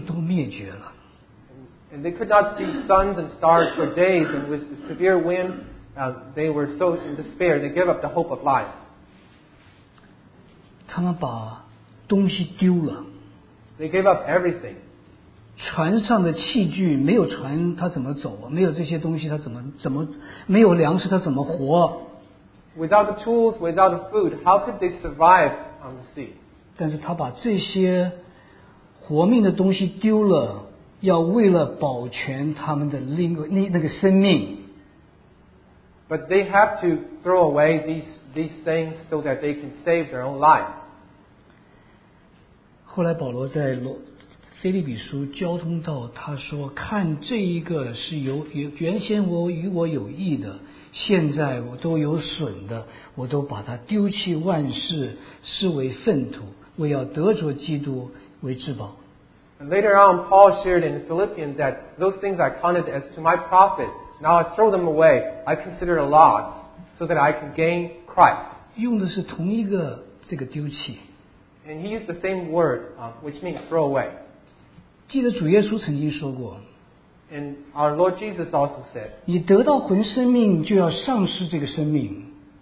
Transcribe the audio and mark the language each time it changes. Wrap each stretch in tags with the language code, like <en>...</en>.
<zh>他说太阳跟星辰多日不显露，又有狂风大浪吹逼我们，得救的指望就都灭绝了。</zh> <en>And they could not see suns and stars for days, and with the severe wind, they were so in despair, they gave up the hope of life.</en> <zh>他们把东西丢了。</zh> <en>They gave up everything.</en> <zh>船上的器具，没有船他怎么走啊？没有这些东西他怎么没有粮食他怎么活？</zh> <en>Without the tools, without the food, how could they survive on the sea?</en> <zh>但是他把这些活命的东西丢了，要为了保全他们的那个生命。</zh> <en>But they have to throw away these things so that they can save their own life.</en> <zh>后来保罗在菲利比书交通道，他说：“看这一个是原先我与我有益的。” 现在我都有损的，我都把它丢弃万事，视为粪土，为要得着基督为至宝。</zh> <en>Later on, Paul shared in Philippians that those things I counted as to my profit, now I throw them away, I consider a loss, so that I can gain Christ.</en> <zh>用的是同一个这个丢弃。</zh> <en>And he used the same word, which means throw away.</en> <zh>记得主耶稣曾经说过,</zh> <en>And our Lord Jesus also said,</en> <zh>你得到魂生命就要丧失这个生命。</zh>